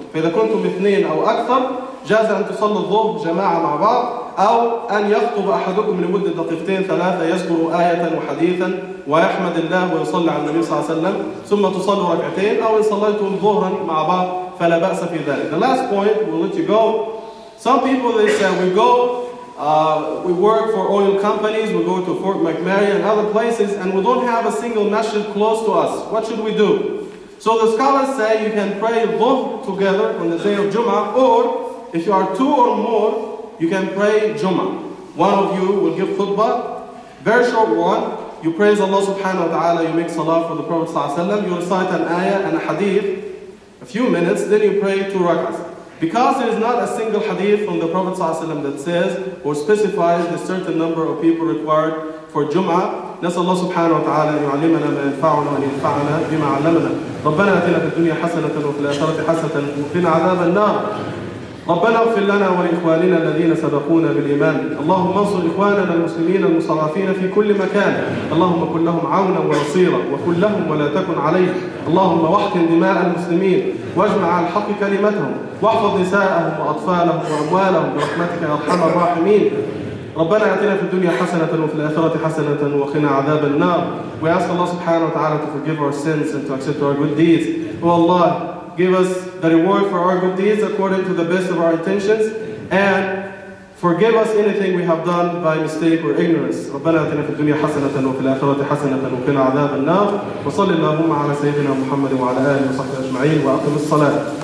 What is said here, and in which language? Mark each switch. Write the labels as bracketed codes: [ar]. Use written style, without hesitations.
[ar] فإذا كنتم اثنين أو أكثر جاز أن تصلوا الظهر جماعة مع بعض أو أن يخطب أحدكم لمدة دقيقتين ثلاثة يذكر آية وحديثا ويحمد الله ويصلي على النبي صلى الله عليه وسلم ثم تصلوا ركعتين أو إن صليتم ظهرا مع بعض فلا بأس في ذلك. [en] The last point, we'll let you go. Some people, they say, we go, we work for oil companies, we go to Fort McMurray and other places and we don't have a single masjid close to us. What should we do? So the scholars say you can pray both together on the day of Jum'ah or if you are two or more, you can pray Jum'ah. One of you will give khutbah, very short one, you praise Allah subhanahu wa ta'ala, you make salah for the Prophet sallallahu alayhi wa sallam, you recite an ayah and a hadith, a few minutes, then you pray two rak'ahs. Because there is not a single hadith from the Prophet sallallahu alayhi wa sallam that says or specifies the certain number of people required for Jum'ah, [ar] نسأل الله سبحانه وتعالى أن يعلمنا ما ينفعنا وأن ينفعنا بما علمنا. ربنا آتنا في الدنيا حسنة وفي الآخرة حسنة وقنا عذاب النار. ربنا اغفر لنا ولإخواننا الذين سبقونا بالإيمان. اللهم انصر إخواننا المسلمين المستضعفين في كل مكان. اللهم كن لهم عونا ونصيرا وكن لهم ولا تكن عليهم. اللهم واحقن دماء المسلمين واجمع على الحق كلمتهم واحفظ نساءهم وأطفالهم وأموالهم برحمتك يا أرحم الراحمين. ربنا آتنا في الدنيا حسنة وفي الآخرة حسنة وقنا عذاب النار. [en] We ask Allah subhanahu wa ta'ala to forgive our sins and to accept our good deeds. Oh Allah, give us the reward for our good deeds according to the best of our intentions and Forgive us anything we have done by mistake or ignorance. [ar] ربنا آتنا في الدنيا حسنة وفي الآخرة حسنة وقنا عذاب النار. وصلى اللهم على سيدنا محمد وعلى آله وصحبه أجمعين وأقم الصلاة.